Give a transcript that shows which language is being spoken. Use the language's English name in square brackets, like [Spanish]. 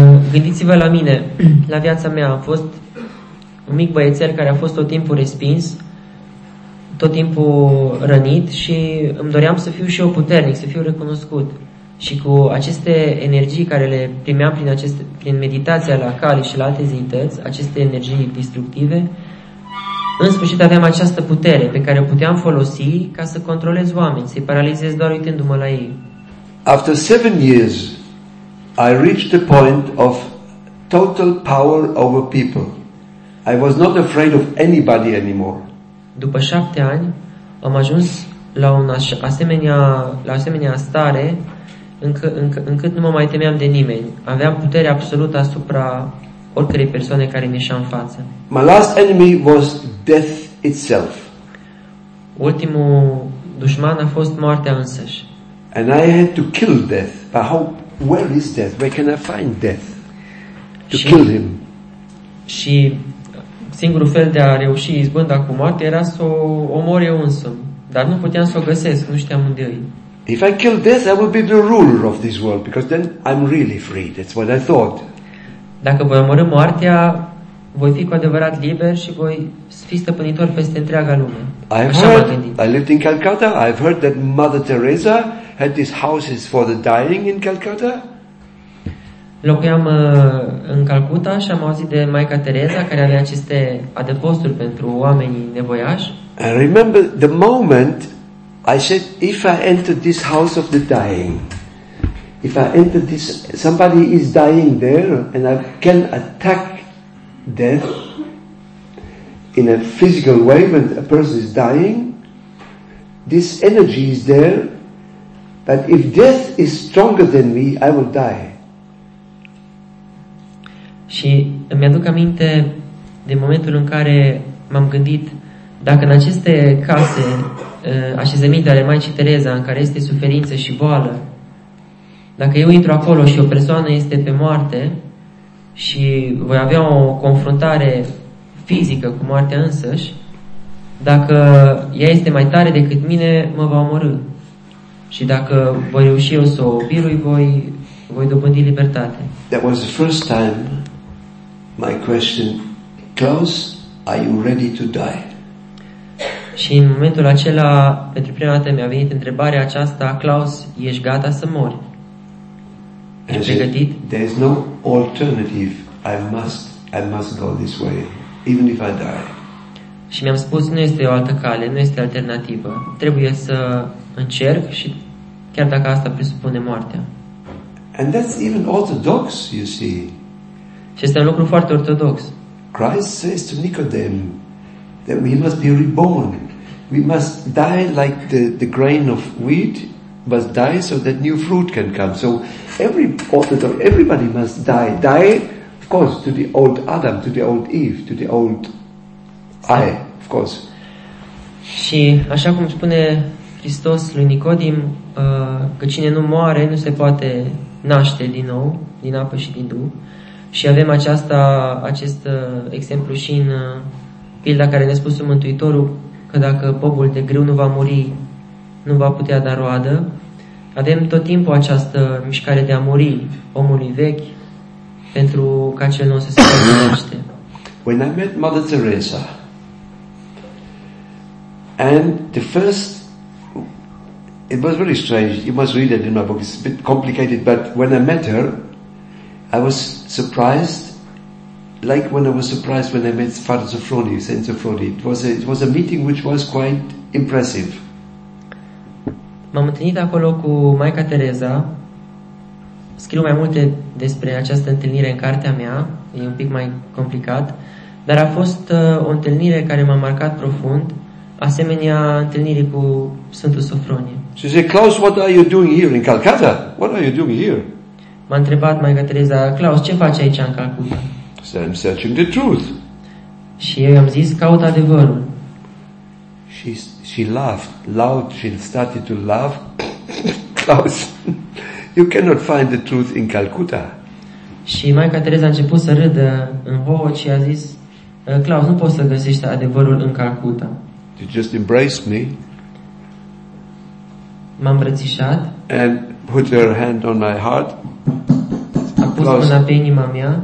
[Romanian] Gândiți-vă la mine, la viața mea. Am fost un mic băiețel care a fost tot timpul respins, tot timpul rănit și îmi doream să fiu și eu puternic, să fiu recunoscut. Și cu aceste energii care le primeam prin meditația la Kali și la alte zeități, aceste energii distructive, în sfârșit aveam această putere pe care o puteam folosi ca să controlez oameni, să-i paralizez doar uitându-mă la ei. [English] After 7 years, I reached the point of total power over people. I was not afraid of anybody anymore. [Romanian] După 7 ani, am ajuns la o asemenea stare încât nu mă mai temeam de nimeni. Aveam putere absolută asupra oricărei persoane care mi ieșea în față. [English] My last enemy was death itself. [Romanian] Ultimul dușman a fost moartea însăși. [English] And I had to kill death. But how? Where is death? Where can I find death to kill him? [Romanian] Și singurul fel de a reuși izbânda cu moartea era să o omor eu însumi, dar nu puteam să o găsesc, nu știam unde e. [English] If I kill death, I will be the ruler of this world, because then I'm really free. That's what I thought. [Romanian] Dacă voi omorî moartea, voi fi cu adevărat liber și voi fi stăpânitor peste întreaga lume. [English] I lived in Calcutta. I've heard that Mother Teresa had these houses for the dying in Calcutta. [Romanian] Locuiam în Calcuta și am auzit de Maica Teresa care avea aceste adăposturi pentru oamenii nevoiași. [English] I remember the moment I said, if I enter this house of the dying, if I enter this, somebody is dying there and I can attack death in a physical way when a person is dying, this energy is there, but if death is stronger than me, I will die. [Romanian] Și îmi aduc aminte de momentul în care m-am gândit, dacă în aceste case, așezăminte ale Maicii Tereza, în care este suferință și boală, dacă eu intru acolo și o persoană este pe moarte și voi avea o confruntare fizică cu moartea însăși, dacă ea este mai tare decât mine, mă va omorî. Și dacă voi reuși eu să o birui, voi dobândi libertate. [English] That was the first time my question, Klaus, are you ready to die? [Romanian] Și în momentul acela, pentru prima dată mi-a venit întrebarea aceasta, Klaus, ești gata să mori? Ești pregătit? [English] There is no alternative. I must go this way, even if I die. [Romanian] Și mi-am spus, nu este o altă cale, nu este alternativă. Trebuie să încerc și chiar dacă asta presupune moartea. [English] And that's even orthodox, you see. [Romanian] Și este un lucru foarte ortodox. [English] Christ says to Nicodem that we must be reborn. We must die like the grain of wheat must die so that new fruit can come. So every orthodox, everybody must die. Die, of course, to the old Adam, to the old Eve, to the old I, of course. [Romanian] Și așa cum spune Hristos lui Nicodem, că cine nu moare nu se poate naște din nou, din apă și din duh. Și avem acest exemplu și în pilda care ne-a spus Mântuitorul, că dacă pobul de grâu nu va muri, nu va putea da roadă. Avem tot timpul această mișcare de a muri omului vechi pentru ca cel nou să se naște. [English] When I met Mother Teresa and the first, it was really strange, you must read it in my book, it's a bit complicated, but when I met her, I was surprised like when I was surprised when I met Father Zofroni, Saint Zofroni. It was a meeting which was quite impressive. [Romanian] M-am întâlnit acolo cu Maica Tereza. Scriu mai multe despre această întâlnire în cartea mea, e un pic mai complicat, dar a fost o întâlnire care m-a marcat profund, asemenea întâlnirii cu Sfântul Sofronie. [English] She said, Klaus, what are you doing here in Calcutta? What are you doing here? [Romanian] M-a întrebat Maica Tereza, Klaus, ce faci aici în Calcutta? [English] So I'm searching the truth. [Romanian] Și eu i-am zis, caut adevărul. [English] She laughed loud, she started to laugh. Klaus, you cannot find the truth in Calcutta. [Romanian] Și Maica Tereza a început să râdă în hohot și a zis, Klaus, nu poți să găsești adevărul în Calcutta. [English] You just embraced me. [Romanian] M-a îmbrățișat. [English] And put your hand on my heart. [Romanian] A pus Klaus, mâna pe inima mea.